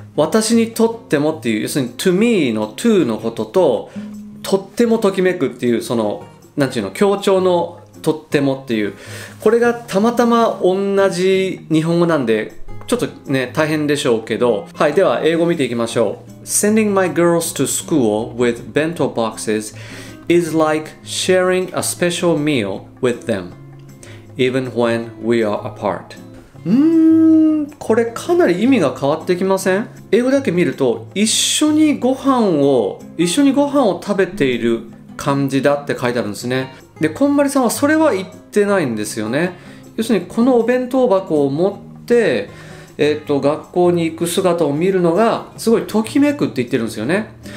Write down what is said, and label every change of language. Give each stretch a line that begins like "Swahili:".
Japanese: 私にとってもっていう、要するに
English: to me
Japanese: の to のことと、とってもときめくっていう、その何て言うの、強調のとってもっていう、これがたまたま同じ日本語なんで、ちょっとね、大変でしょうけど。はい、では英語見ていきましょう。
English: Sending my girls to school with bento boxes is like sharing a special meal with them, even when we are apart.
Japanese: これかなり意味が変わってきません？英語だけ見ると一緒にご飯を食べている感じだって書いてあるんですね。で、こんまりさんはそれは言ってないんですよね。要するにこのお弁当箱を持って学校に行く姿を見るのがすごいときめくって言ってるんですよね。